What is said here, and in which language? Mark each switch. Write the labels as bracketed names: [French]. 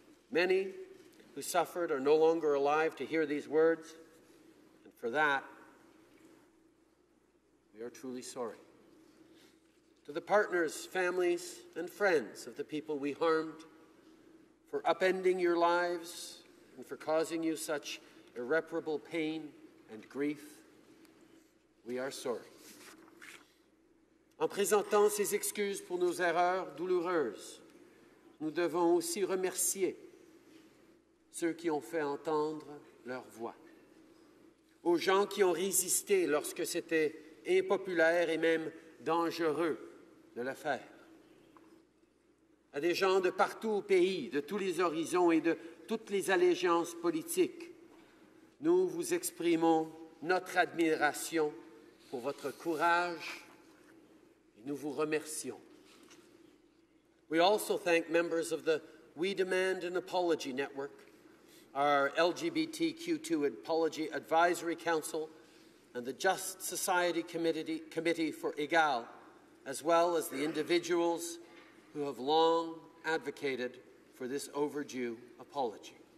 [English] Many who suffered are no longer alive to hear these words, and for that, we are truly sorry. To the partners, families, and friends of the people we harmed, for upending your lives and for causing you such irreparable pain and grief, we are sorry. [French] En présentant ces excuses pour nos erreurs douloureuses, nous devons aussi remercier ceux qui ont fait entendre leur voix, aux gens qui ont résisté lorsque c'était impopulaire et même dangereux de le faire, à des gens de partout au pays, de tous les horizons et de toutes les allégeances politiques, nous vous exprimons notre admiration pour votre courage et nous vous remercions. [English] We also thank members of the We Demand an Apology Network, our LGBTQ2 Apology Advisory Council, and the Just Society Committee for Egal, as well as the individuals who have long advocated for this overdue apology.